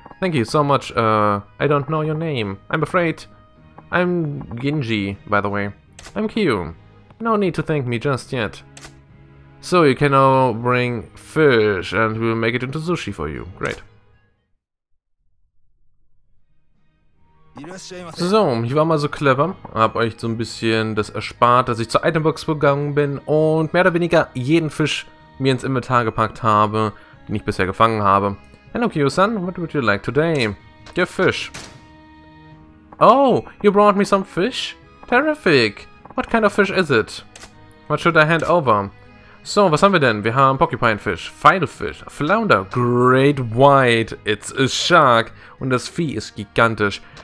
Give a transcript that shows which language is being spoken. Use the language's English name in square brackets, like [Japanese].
[English] Thank you so much, I don't know your name. I'm afraid. I'm Ginji, by the way. I'm Q. No need to thank me just yet. So you can now bring fish and we'll make it into sushi for you. Great. [German] So, ich war mal so clever, hab euch so ein bisschen das erspart, dass ich zur Itembox gegangen bin und mehr oder weniger jeden Fisch mir ins Inventar gepackt habe, den ich bisher gefangen habe. [English] Hello, Kyo-san, what would you like today? Your fish. Oh, you brought me some fish? Terrific! What kind of fish is it? What should I hand over? [German] So, was haben wir denn? Wir haben Porcupine Fish, Filefish, Flounder, Great White, [English] it's a shark [German] und das Vieh ist gigantisch.